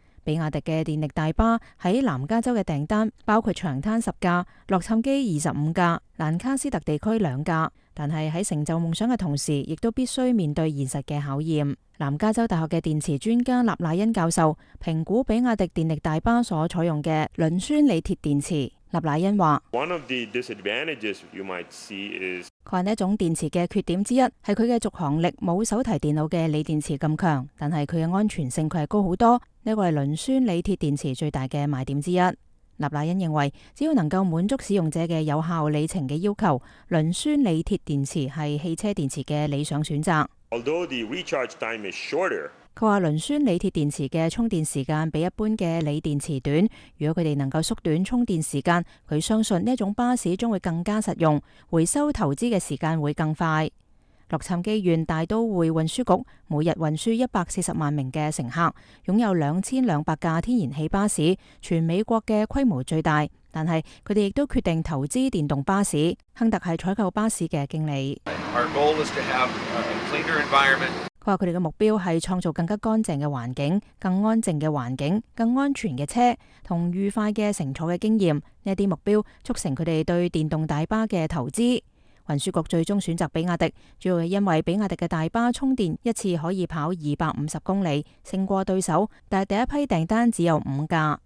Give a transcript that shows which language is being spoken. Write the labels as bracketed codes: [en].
[zh] 比亚迪的电力大巴在南加州的订单包括长滩10架、洛杉矶25架、兰卡斯特地区2架，但是在成就梦想的同时，亦都必须面对现实的考验。南加州大学的电池专家纳纳恩教授评估比亚迪电力大巴所采用的磷酸锂铁电池。纳纳恩说， [en] One of the disadvantages you might see is， [zh] 他说这种电池的缺点之一是它的续航力没有手提电脑的锂电池那么强，但是它的安全性是高很多，这个是磷酸锂铁电池最大的卖点之一。纳纳恩认为，只要能够满足使用者的有效里程的要求，磷酸锂铁电池是汽车电池的理想选择。 [en] Although the recharge time is shorter， [zh] 他说磷酸锂铁电池的充电时间比一般的锂电池短，如果他们能够缩短充电时间，他相信这种巴士将会更加实用，回收投资的时间会更快。洛杉矶县大都会运输局每日运输140万名的乘客，拥有2200架天然气巴士，全美国的规模最大，但是他们也决定投资电动巴士。亨特是采购巴士的经理。 [en] Our goal is to have a cleaner environment。 [zh] 他说他们的目标是创造更加干净的环境、更安静的环境、更安全的车和愉快的乘坐的经验。这些目标促成他们对电动大巴的投资。运输局最终选择比亚迪，主要是因为比亚迪的大巴充电一次可以跑250公里，胜过对手，但第一批订单只有5架。